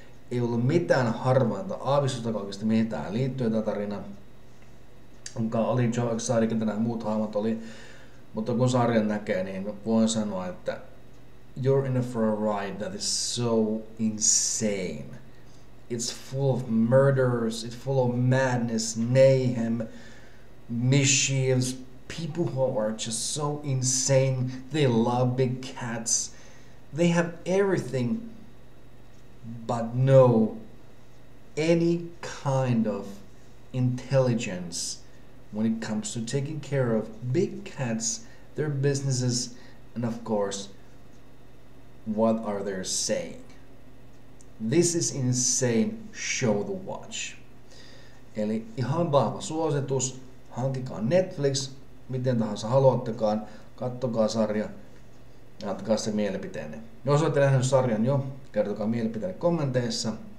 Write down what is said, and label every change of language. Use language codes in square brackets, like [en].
[fi] Ei ollut mitään harvainta aavistusta oikeasti, mihin tämä liittyy tämä tarina. Oli Joe Exotic, nämä muut hahmot oli. Mutta kun sarjan näkee, niin voin sanoa, että [en] you're in for a ride that is so insane. It's full of murders, it's full of madness, mayhem, mischiefs, people who are just so insane. They love big cats. They have everything. But no, any kind of intelligence when it comes to taking care of big cats, their businesses, and of course, what are they saying? This is insane. Show the watch. [fi] Eli ihan vahva suositus, hankikaa Netflix, miten tahansa haluattekaan, kattokaa sarja, antakaa se mielipiteenne. Jos olette nähneet sarjan jo, kertokaa mielipiteenne kommenteissa.